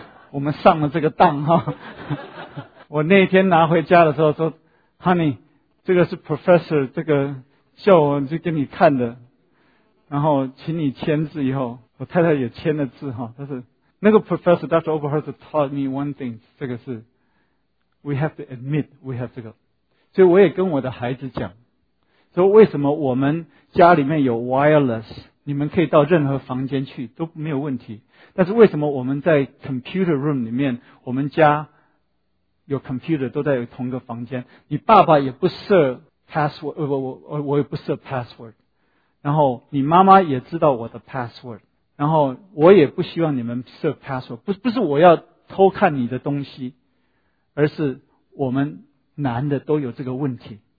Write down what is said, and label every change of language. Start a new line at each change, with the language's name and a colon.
Chinese: 我们上了这个当哈。我那天拿回家的时候说 Honey， 这个是 Professor 这个叫我就给你看的，然后请你签字，以后我太太也签了字哈。但是那个 professor Dr.
English: Oberholz taught me one thing，
Chinese: 这个是
English: we have to admit we have
Chinese: 这个。所以我也跟我的孩子讲说，为什么我们家里面有 wireless， 你们可以到任何房间去都没有问题，但是为什么我们在 computer room 里面，我们家有 computer 都在同一个房间，你爸爸也不设 password， 我也不设 password，然后你妈妈也知道我的 password， 然后我也不希望你们设 password， 不是我要偷看你的东西，而是我们男的都有这个问题，